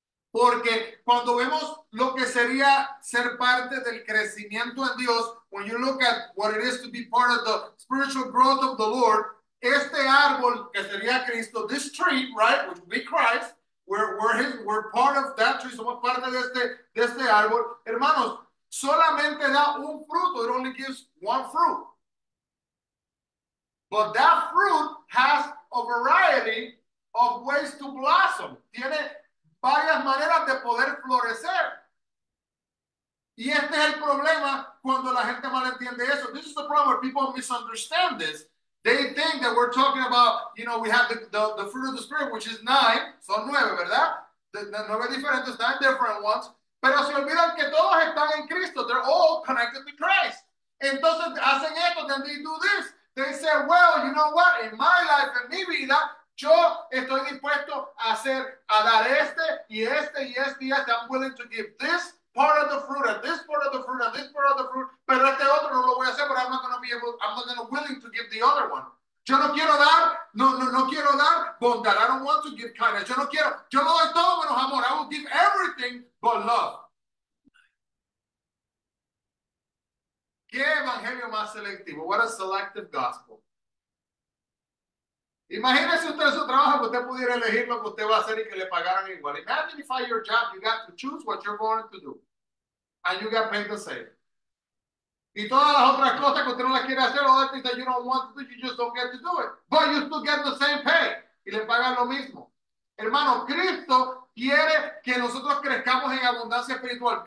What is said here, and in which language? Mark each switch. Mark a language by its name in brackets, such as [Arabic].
[Spanish] Porque cuando vemos lo que sería ser parte del crecimiento en Dios, [English] when you look at what it is to be part of the spiritual growth of the Lord, [Spanish] este árbol que sería Cristo, [English] this tree, right, which would be Christ, we're part of that tree, [Spanish] somos parte de este árbol. Hermanos, solamente da un fruto, [English] it only gives one fruit. But that fruit has a variety of ways to blossom. [Spanish] Tiene varias maneras de poder florecer. Y este es el problema cuando la gente malentiende eso. [English] This is the problem where people misunderstand this. They think that we're talking about, you know, we have the fruit of the Spirit, which is nine. [Spanish] Son nueve, ¿verdad? The nueve diferentes, [English] nine different ones. [Spanish] Pero se olvidan que todos están en Cristo. [English] They're all connected to Christ. [Spanish] Entonces hacen esto, [English] then they do this. They say, well, you know what? In my life, [Spanish] en mi vida, yo estoy dispuesto a dar este y este [English] y este y este. I'm willing to give this part of the fruit and this part of the fruit and this part of the fruit. [Spanish] Pero este otro no lo voy a hacer, [English] but I'm not going to be willing to give the other one. [Spanish] Yo no quiero dar, no quiero dar bondad. [English] I don't want to give kindness. [Spanish] Yo no quiero, yo lo doy todo menos amor. [English] I will give everything but love. [Spanish] ¿Qué evangelio más selectivo? [English] What a selective gospel. [Spanish] Imagínese usted su trabajo, que usted pudiera elegir lo que usted va a hacer y que le pagaran igual. [English] Imagine if I your job, you got to choose what you're going to do. And you got paid the same. [Spanish] Y todas las otras cosas que usted no las quiere hacer, [English] all the things that you don't want to do, you just don't get to do it. But you still get the same pay. [Spanish] Y le pagan lo mismo. Hermano, Cristo quiere que nosotros crezcamos en abundancia espiritual.